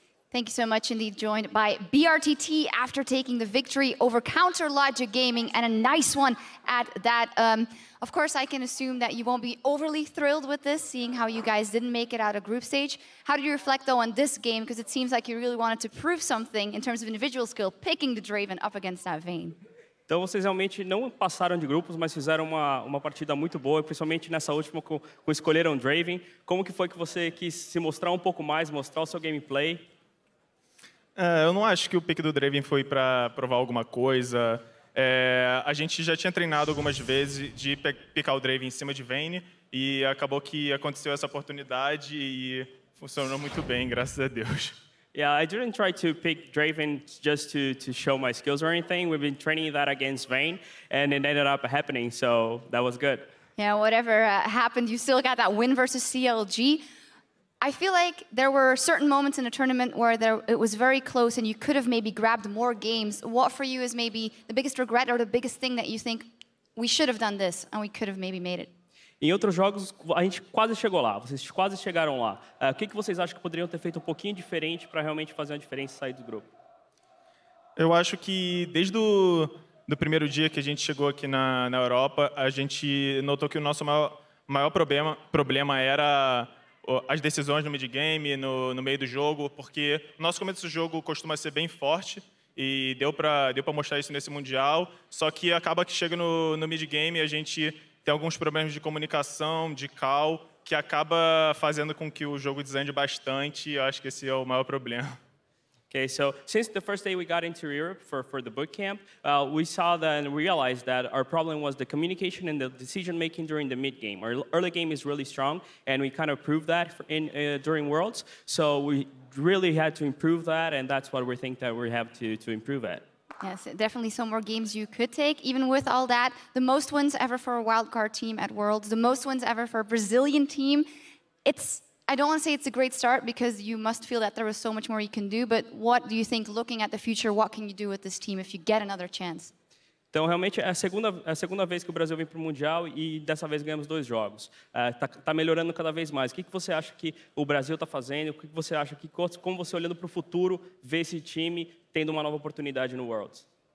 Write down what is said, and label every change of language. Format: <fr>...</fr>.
<en>Thank you so much, indeed, joined by BRTT after taking the victory over Counter Logic Gaming, and a nice one at that. Of course, I can assume that you won't be overly thrilled with this, seeing how you guys didn't make it out of group stage. How did you reflect, though, on this game? Because it seems like you really wanted to prove something in terms of individual skill, picking the Draven up against that Vayne.</en> <pt>Então vocês realmente não passaram de grupos, mas fizeram uma partida muito boa, principalmente nessa última com escolheram Draven. Como que foi que você quis se mostrar um pouco mais, mostrar o seu gameplay? Eu não acho que o pick do Draven foi para provar alguma coisa. A gente já tinha treinado algumas vezes de picar o Draven em cima de Vayne e acabou que aconteceu essa oportunidade e funcionou muito bem, graças a Deus.</pt> <en>Yeah, I didn't try to pick Draven just to show my skills or anything. We've been training that against Vayne and it ended up happening, so that was good. Yeah, whatever happened, you still got that win versus CLG. I feel like there were certain moments in the tournament where it was very close and you could have maybe grabbed more games. What for you is maybe the biggest regret or the biggest thing that you think we should have done this and we could have maybe made it?</en> <pt>Em outros jogos, a gente quase chegou lá. Vocês quase chegaram lá. O que vocês acham que poderiam ter feito um pouquinho diferente para realmente fazer uma diferença e sair do grupo? Eu acho que desde do primeiro dia que a gente chegou aqui na Europa, a gente notou que o nosso maior problema era as decisões no mid-game, no meio do jogo, porque o nosso começo do jogo costuma ser bem forte e deu pra mostrar isso nesse Mundial, só que acaba que chega no mid-game e a gente tem alguns problemas de comunicação, de call, que acaba fazendo com que o jogo desande bastante, eu acho que esse é o maior problema.</pt> <en>Okay, so since the first day we got into Europe for the bootcamp, we saw that and realized that our problem was the communication and the decision-making during the mid-game. Our early game is really strong, and we kind of proved that during Worlds. So we really had to improve that, and that's what we think that we have to improve at. Yes, definitely some more games you could take. Even with all that, the most wins ever for a wildcard team at Worlds, the most wins ever for a Brazilian team, I don't want to say it's a great start because you must feel that there was so much more you can do, but what do you think, looking at the future, what can you do with this team if you get another chance?</en> <pt>Então, realmente, é a segunda vez que o Brasil vem para o Mundial e dessa vez ganhamos dois jogos. Tá melhorando cada vez mais. O que você acha que o Brasil está fazendo? O que você acha que, como você olhando para o futuro, vê esse time tendo uma nova oportunidade no Worlds?</pt>